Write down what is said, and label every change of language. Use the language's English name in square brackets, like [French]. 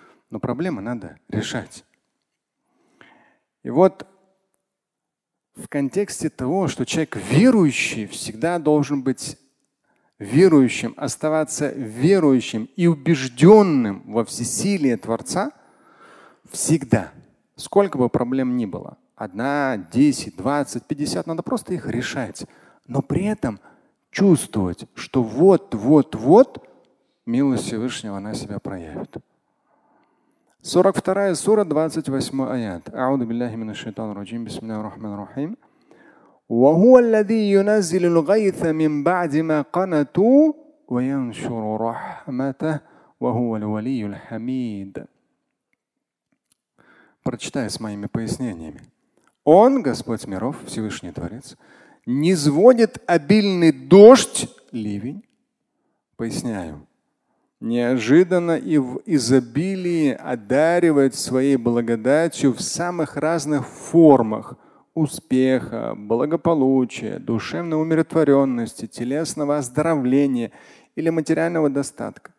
[Russian] Но проблемы надо решать. И вот в контексте того, что человек верующий всегда должен быть верующим, оставаться верующим и убежденным во всесилии Творца всегда, сколько бы проблем ни было, 1, 10, 20, 50, надо просто их решать. Но при этом чувствовать, что вот-вот-вот милость Всевышнего она себя проявит. 42-я сура, 28-й аят. [Arabic] أعوذ بالله من الشيطان الرجيم بسم الله الرحمن الرحيم. وهو الذي ينزل الغيث من بعد ما قنطوا وينشر رحمته وهو الولي الحميد. [Russian] Прочитай с моими пояснениями. Он, Господь миров, Всевышний Творец, низводит обильный дождь, ливень. Поясняю. Неожиданно и в изобилии одаривает своей благодатью в самых разных формах успеха, благополучия, душевной умиротворенности, телесного оздоровления или материального достатка.